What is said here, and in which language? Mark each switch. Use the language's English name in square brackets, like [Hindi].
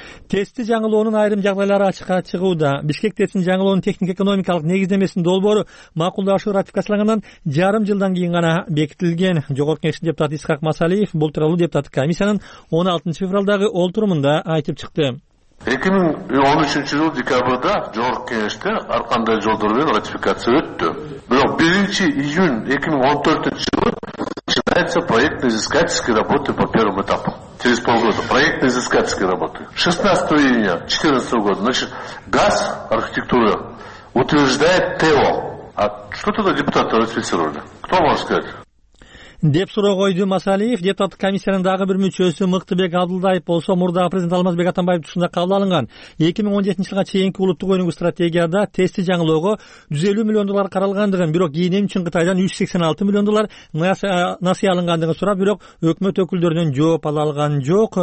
[Kyrgyz] Тестти жаңылоонун айрым жагдайлары ачыкка чыгууда. Бишкек тестин жаңылоонун техник экономикалык негиздемесинин долбоору макулдашуу ратификацияланганан жарым жылдан кийин гана бекитилген. Жогорку кеңештин депутаты Исхак Масалиев бул тууралуу депутаттык комиссиянын 16 февралдагы олтурумунда айтып чыкты. 2013 жыл декабрда жогорку кеңеште ар кандай жолдор менен ратификация өттү. Бирок 1 июнь 2014 жылы [Russian] начинается проектно-изыскательские работы по первому этапу. Через полгода проектно-изыскательские работы. 16 июня 2014 года, значит, ГАЗ архитектура утверждает ТО. А что тогда депутаты ратифицировали? Кто может сказать? [Kyrgyz] Деп суроо койду Масалиев. Депутаттык комиссиянын дагы бир мүчөсү Мыктыбек Абдылдаев болсо, мурда президент Алмазбек Атамбаев тушунда кабыл алынган. 2017 жылга чейинки улуттук өнүгүү стратегияда тестти жаңылоого 150 миллион доллар каралгандыгын, бирок ийне үчүн Кытайдан 386 миллион доллар насыя алынгандыгын сурап, бирок өкмөт өкүлдөрүнөн жооп ала алган жок.